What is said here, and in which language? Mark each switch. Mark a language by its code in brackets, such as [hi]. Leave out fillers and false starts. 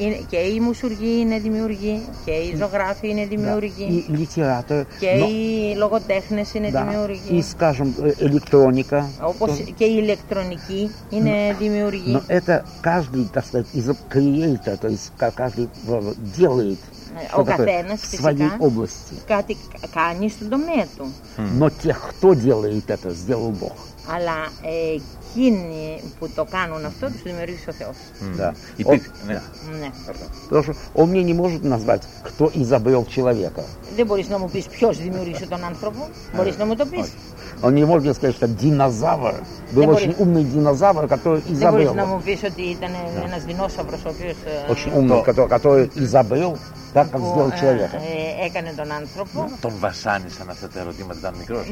[el] Και οι мусургοί είναι δημιουργοί, και οι ζωγράφοι είναι δημιουργοί. [ru] И литераторы. [el] Και οι λογοτέχνες είναι δημιουργοί. [ru] И, скажем, электроника. [el] Όπως και η ηλεκτρονική είναι δημιουργοί. [ru] Но это каждый, так сказать, из креатора, то есть каждый делает. [el] Ο καθένας φυσικά κάτι κάνει στον τομέα του. [ru] Но те, кто делает это, сделал Бог. [el] Αλλά εκείνοι που το κάνουν αυτό, τους δημιουργήσε ο Θεός. [ru] Да. [el] Ναι. Ναι. [ru] Он мне не может назвать, кто изобрел человека. [el] Δεν μπορείς να μου πεις ποιος δημιουργήσε τον άνθρωπο. Μπορείς να μου το πεις. [ru] Он не может сказать, что динозавр был очень умный динозавр, который изобрел. [el] Δεν μπορείς να μου πεις ότι ήταν ένας динозавρος, ο οποίος... [ru] Очень умный, который изобрел. Так как сделал человека. [el] Έκανε τον άνθρωπο. Ну, τον βασάνισαν αυτά τα ερωτήματα, ήταν μικρός.